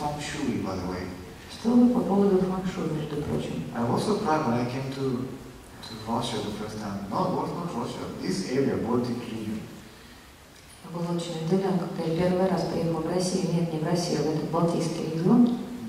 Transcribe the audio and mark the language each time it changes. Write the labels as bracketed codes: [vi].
[ru] Что вы по поводу фэншуй, между прочим? [en] I was surprised when I came to Russia the first time. No, it was not Russia. This area, Baltic region. [ru] Я был очень удивлен, когда я первый раз приехал в Россию. Нет, не в Россию, в этот Балтийский регион.